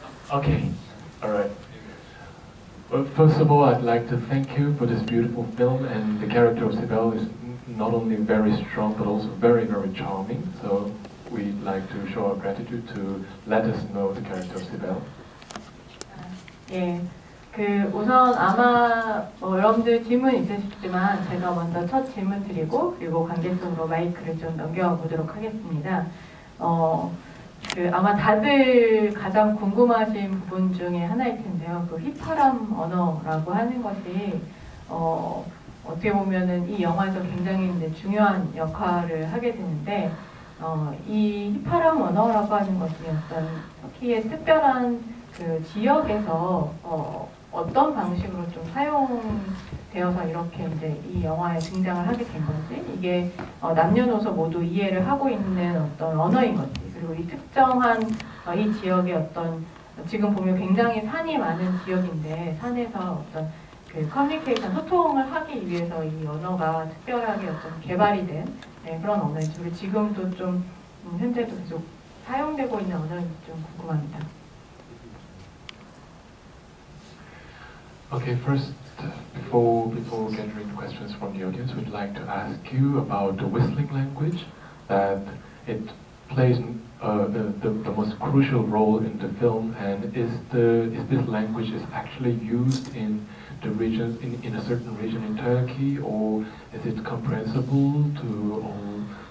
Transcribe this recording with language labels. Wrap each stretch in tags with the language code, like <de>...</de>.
<en>Okay, all right. Well, first of all, I'd like to thank you for this beautiful film, and the character of Sibel is not only very strong, but also very, very charming. So we'd like to show our gratitude to let us know the character of Sibel. Yeah.</en> <ko>그 우선 아마 뭐 여러분들 질문 있으시지만 제가 먼저 첫 질문 드리고 그리고 관계적으로 마이크를 좀 넘겨보도록 하겠습니다. 그 아마 다들 가장 궁금하신 부분 중에 하나일 텐데요. 그 휘파람 언어라고 하는 것이 어떻게 보면은 이 영화에서 굉장히 중요한 역할을 하게 되는데 이 휘파람 언어라고 하는 것이 어떤 터키의 특별한 그 지역에서 어떤 방식으로 좀 사용되어서 이렇게 이제 이 영화에 등장을 하게 된 건지, 이게 남녀노소 모두 이해를 하고 있는 어떤 언어인 건지, 그리고 이 특정한 이 지역의 어떤 지금 보면 굉장히 산이 많은 지역인데 산에서 어떤 그 커뮤니케이션 소통을 하기 위해서 이 언어가 특별하게 어떤 개발이 된 그런 언어인지, 그리고 지금도 좀 현재도 계속 사용되고 있는 언어인지 좀 궁금합니다.</ko> <en>Okay, first, before gathering questions from the audience, we'd like to ask you about the whistling language, that it plays the most crucial role in the film, and is this language is actually used in the region, in a certain region in Turkey, or is it comprehensible to all</en>